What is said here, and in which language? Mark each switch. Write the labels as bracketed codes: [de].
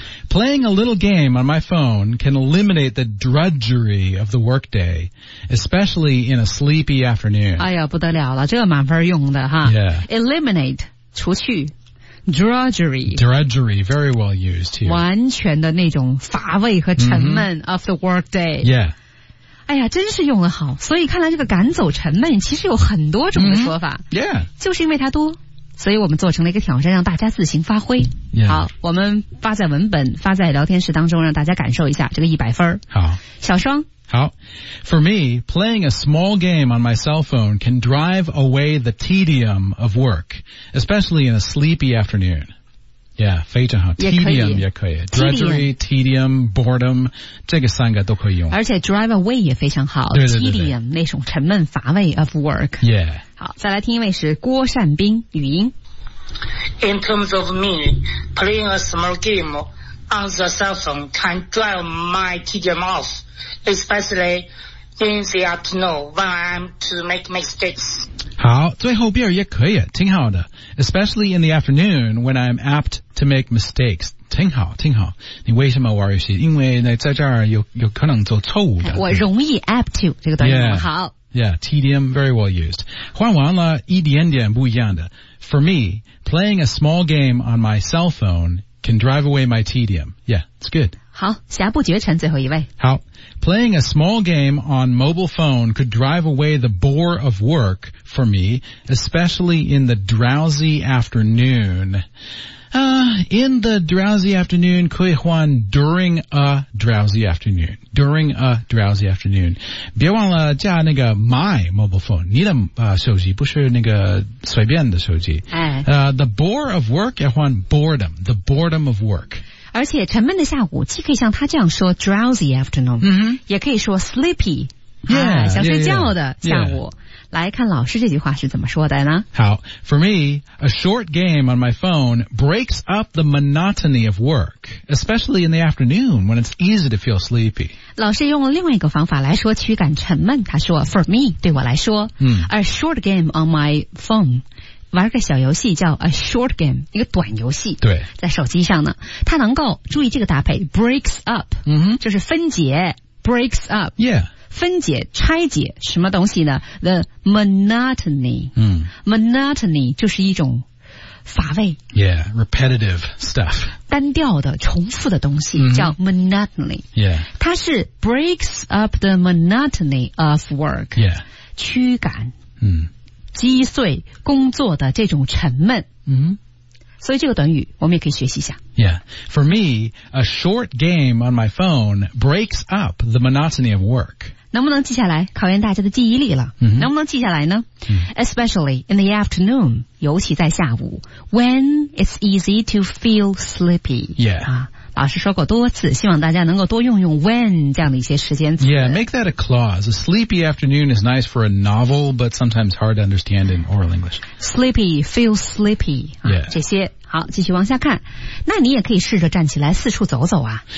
[en] Playing a little game on my phone can eliminate the drudgery of the workday, especially in a sleepy afternoon. [zh] 哎呀，不得了了，这个满分用的哈。 [en] Yeah. Eliminate, [zh] 除去。 [en] Drudgery. Drudgery, very well used here. [zh] 完全的那种乏味和沉闷 [en] of the workday. Yeah. [zh] 哎呀，真是用得好。所以看来这个赶走沉闷其实有很多种的说法。 [en] Yeah. [zh] 就是因为它多。所以我们做成了一个挑战，让大家自行发挥。 [en] Yeah. [zh] 好，我们发在文本，发在聊天室当中，让大家感受一下这个100分。好，小双。 [en] 好 ，For me, playing a small game on my cell phone can drive away the tedium of work, especially in a sleepy afternoon. Yeah, [zh] 非常好。 Tedium 也可以。 [en] Drudgery, tedium, boredom, [zh] 这个三个都可以用。而且 [en] drive away [zh] 也非常好。对对对对。 Tedium 那种沉闷乏味 of work. [en] Yeah. [zh] 好，再来听一位是郭善斌语音。 [en] In terms of me, playing a small game on the cell phone can drive my tedium off, especially in the afternoon when I'm to make mistakes. [zh] 好，最后边也可以，挺好的。 [en] Especially in the afternoon when I'm apt to make mistakes. [zh] 挺好挺好，你为什么玩游戏？因为呢在这儿有可能做错误的。我容易 [en] apt to [zh] 这个短语。 [en] yeah, [zh] 好。 [en] Yeah, tedium very well used. [zh] 换完了一点点不一样的。 [en] For me, playing a small game on my cell phone can drive away my tedium. Yeah, it's good. [zh] 好，侠不绝尘最后一位。好。 [en] Playing a small game on mobile phone could drive away the bore of work for me, especially in the drowsy afternoon. In the drowsy afternoon, [zh] 可以换 [en] during a drowsy afternoon. During a drowsy afternoon. [zh] 别忘了加那个 [en] my mobile phone. [zh] 你的手机不是那个随便的手机。哎 [en] The bore of work, [zh] 要换 [en] boredom. The boredom of work. [zh] 而且沉闷的下午既可以像他这样说 [en] drowsy afternoon、 mm-hmm. [zh] 也可以说 sleepy [en] yeah,、 [zh] 啊、想睡觉的下午 yeah, yeah. 来看老师这句话是怎么说的呢 [en] 好 For me, a short game on my phone breaks up the monotony of work especially in the afternoon when it's easy to feel sleepy [zh] 老师用了另外一个方法来说驱赶沉闷他说 [en] For me, [zh] 对我来说、 mm. [en] A short game on my phone [zh] 玩个小游戏叫 [en] a short game [zh] 一个短游戏对在手机上呢它能够注意这个搭配 [en] breaks up、 mm-hmm. [zh] 就是分解 breaks up、 [en] yeah. [zh] 分解拆解什么东西呢 [en] the monotony、 mm. [zh] monotony 就是一种乏味 [en] yeah repetitive stuff [zh] 单调的重复的东西、mm-hmm. 叫 monotony、 [en] yeah. [zh] 它是 [en] breaks up the monotony of work、 yeah. [zh] 驱赶嗯击碎工作的这种沉闷、 mm-hmm. 所以这个短语我们也可以学习一下 [en] Yeah, for me, a short game on my phone breaks up the monotony of work [zh] 能不能记下来考验大家的记忆力了、 mm-hmm. 能不能记下来呢、 mm-hmm. [en] Especially in the afternoon [zh] 尤其在下午 [en] When it's easy to feel sleepy Yeah、 [zh] 啊老师说过多次希望大家能够多用用 when 这样的一些时间词 [en] Yeah, make that a clause A sleepy afternoon is nice for a novel But sometimes hard to understand in oral English Sleepy, feel sleepy、 yeah. [zh] 这些好继续往下看那你也可以试着站起来四处走走啊